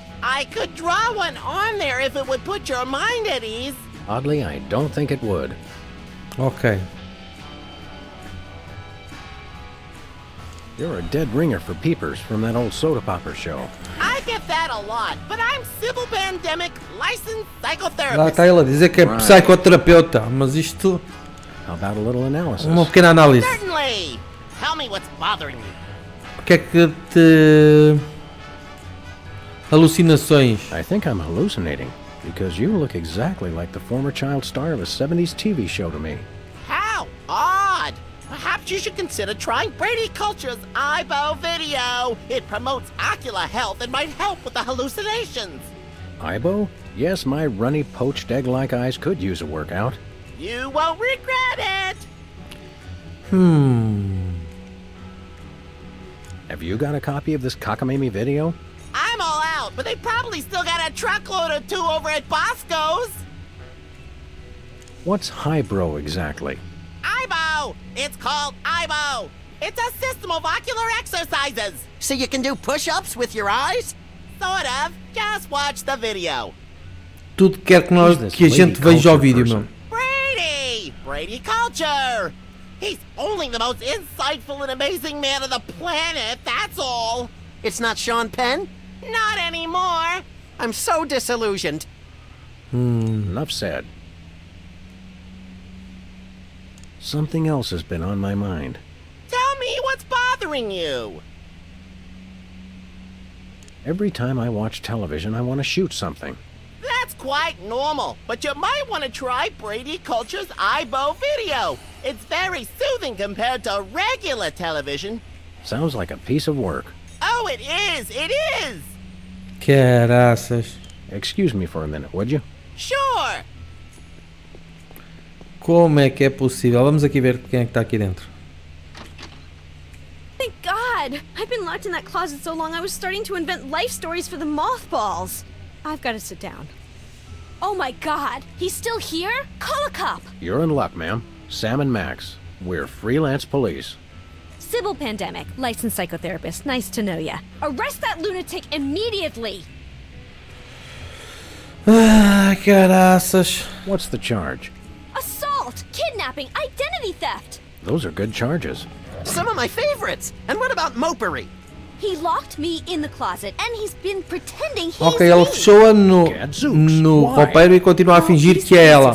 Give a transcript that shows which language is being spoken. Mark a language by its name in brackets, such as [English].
[English] I could draw one on there if it would put your mind at ease. Oddly, I don't think it would. Okay. You're a dead ringer for peepers from that old soda popper show. I get that a lot, but I'm Sybil Pandemic, licensed psychotherapist. [Portuguese] Lá está ele a dizer que é psicoterapeuta, mas isto... [English] How about a little analysis? [Portuguese] Uma pequena análise. [English] Certainly! Tell me what's bothering you. [Portuguese] O que é que te... Alucinações. [English] I think I'm hallucinating, because you look exactly like the former child star of a 70s TV show to me. How odd! Perhaps you should consider trying Brady Culture's eyeball video. It promotes ocular health and might help with the hallucinations. Ibo? Yes, my runny poached egg-like eyes could use a workout. You won't regret it! Have you got a copy of this cockamamie video? I'm all out, but they probably still got a truckload or two over at Bosco's. What's Hybro exactly? Ibo! It's called Ibo! It's a system of ocular exercises! So you can do push-ups with your eyes? Sort of. Just watch the video. [Portuguese] Tudo quer que, nós, que a gente veja o vídeo, mano. [English] Brady! Brady Culture! He's only the most insightful and amazing man on the planet, that's all! It's not Sean Penn? Not anymore! I'm so disillusioned. Enough said. Something else has been on my mind. Tell me what's bothering you. Every time I watch television, I want to shoot something. That's quite normal, but you might want to try Brady Culture's Ibo video. It's very soothing compared to regular television. Sounds like a piece of work. Oh, it is! It is! [Portuguese] Caraças. [English] Excuse me for a minute, would you? Sure! [Portuguese] Como é que é possível? Vamos aqui ver quem é que está aqui dentro. [English] dead. I've been locked in that closet so long I was starting to invent life stories for the mothballs. I've got to sit down. Oh my god, he's still here? Call a cop! You're in luck, ma'am. Sam and Max. We're freelance police. Sybil Pandemic, licensed psychotherapist. Nice to know ya. Arrest that lunatic immediately! What's the charge? Assault, kidnapping, identity theft! Those are good charges. Some of my favorites! And what about mopery? He locked me in the closet, and he's been pretending he's [Portuguese] okay, ela soa no roupeiro e continua a fingir que é ela.